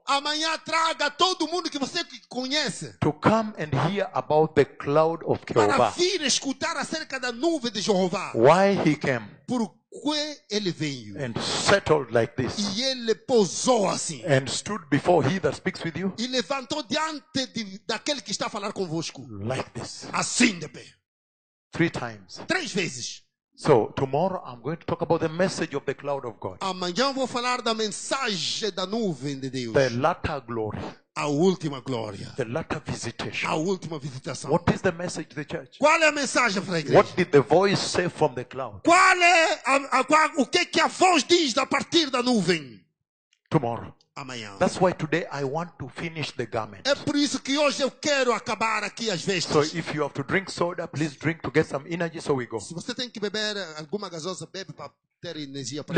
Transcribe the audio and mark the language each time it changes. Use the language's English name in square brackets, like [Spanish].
[Portuguese] Amanhã traga todo mundo que você conhece. [English] To come and hear about the cloud of Jehovah. [Portuguese] Para vir escutar acerca da nuvem de Jeová. [English] Why he came? [Portuguese] Por que ele veio? [English] And settled like this. [Portuguese] E ele pousou assim. [English] And stood before he that speaks with you. [Portuguese] E levantou diante daquele que está a falar convosco. [English] Like this. [Portuguese] Assim de pé. [English] Three times. [Portuguese] Três vezes. [English] So tomorrow I'm going to talk about the message of the cloud of God. [Portuguese] Amanhã vou falar da mensagem da nuvem de Deus. [English] The latter glory. [Portuguese] A última glória. [English] The latter visitation. [Portuguese] A última visitação. [English] What is the message to the church? [Portuguese] Qual é a mensagem para a igreja? [English] What did the voice say from the cloud? [Portuguese] Qual é o que a voz diz a partir da nuvem? [English] Tomorrow. [Portuguese] Amanhã. [English] That's why today I want to finish the garment. [Portuguese] É por isso que hoje eu quero acabar aqui as vestes. [English] So if you have to drink soda, please drink to get some energy so we go. [Portuguese] Se você tem que beber alguma gasosa, bebe para ter energia para.